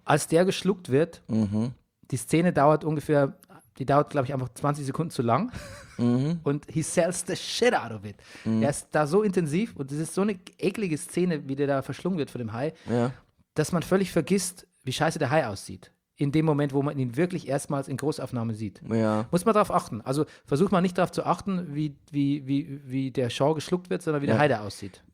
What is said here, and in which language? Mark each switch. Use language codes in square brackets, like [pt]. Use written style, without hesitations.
[de] als der geschluckt wird, die Szene dauert ungefähr. Die dauert, glaube ich, einfach 20 Sekunden zu lang. [en] Und he sells the shit out of it. Mhm. [de] Er ist da so intensiv und es ist so eine eklige Szene, wie der da verschlungen wird von dem Hai, dass man völlig vergisst, wie scheiße der Hai aussieht. In dem Moment, wo man ihn wirklich erstmals in Großaufnahme sieht. Ja. Muss man darauf achten. Also versucht man nicht darauf zu achten, wie der Shaw geschluckt wird, sondern wie der Hai da aussieht.